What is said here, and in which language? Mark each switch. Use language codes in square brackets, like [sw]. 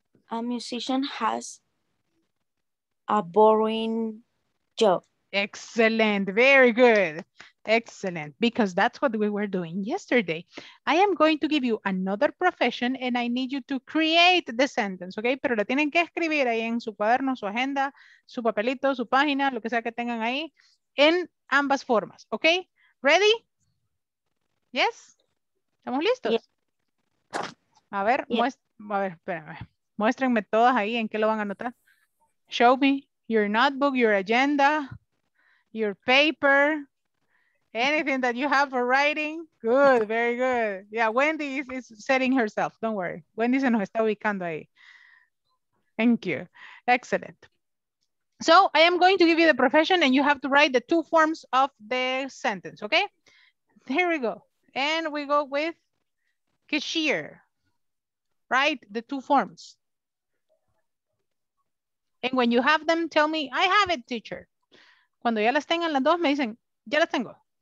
[en] A musician has a boring job. Excellent, very good. Excellent, because that's what we were doing yesterday. I am going to give you another profession and I need you to create the sentence, okay? [es] Pero la tienen que escribir ahí en su cuaderno, su agenda, su papelito, su página, lo que sea que tengan ahí, en ambas formas, okay? [en] Ready? Yes? [es] ¿Estamos listos? [en] Yeah. [es] A ver, espérame. Muéstrenme todas ahí en qué lo van a anotar. [en] Show me your notebook, your agenda, your paper, anything that you have for writing. Good, very good. Yeah, Wendy is setting herself. Don't worry. [es] Wendy se nos está ubicando ahí. [en] Thank you. Excellent. So I am going to give you the profession and you have to write the two forms of the sentence, okay? Here we go. And we go with cashier. Write the two forms. And when you have them, tell me, I have it, teacher. [es] Cuando ya las tengan las dos, me dicen, ya las tengo.